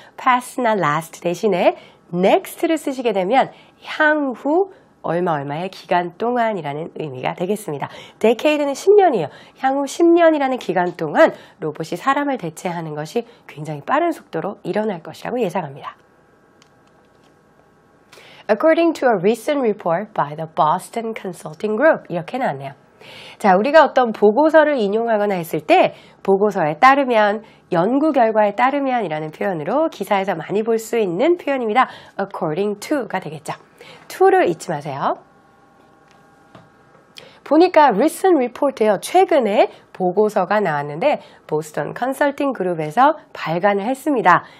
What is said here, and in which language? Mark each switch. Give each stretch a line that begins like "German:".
Korean: past나 last 대신에 next를 쓰시게 되면 향후 얼마얼마의 기간 동안이라는 의미가 되겠습니다. decade는 10년이에요. 향후 10년이라는 기간 동안 로봇이 사람을 대체하는 것이 굉장히 빠른 속도로 일어날 것이라고 예상합니다.
English: According to a recent report by the Boston Consulting Group.
Korean: 이렇게 나왔네요. 자, 우리가 어떤 보고서를 인용하거나 했을 때 보고서에 따르면, 연구 결과에 따르면 이라는 표현으로 기사에서 많이 볼 수 있는 표현입니다. According to가 되겠죠. to를 잊지 마세요. 보니까 recent report예요. 최근에 보고서가 나왔는데 Boston Consulting Group에서 발간을 했습니다.